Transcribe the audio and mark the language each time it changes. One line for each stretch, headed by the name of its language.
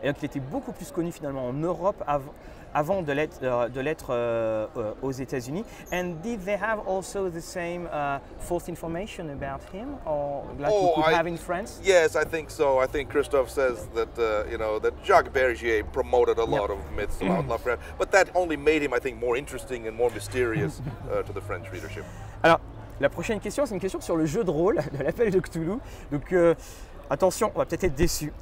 French: Et donc, il était beaucoup plus connu finalement en Europe avant de l'être aux États-Unis.
English: And did they have also the same false information about him or have in France? Yes, I think so. I think Christophe says that Jacques Bergier promoted a lot of myths about Lovecraft, but that only made him, I think, more interesting and more mysterious to the French readership.
French: Alors, la prochaine question, c'est une question sur le jeu de rôle de l'appel de Cthulhu. Donc, attention, on va peut-être être déçu.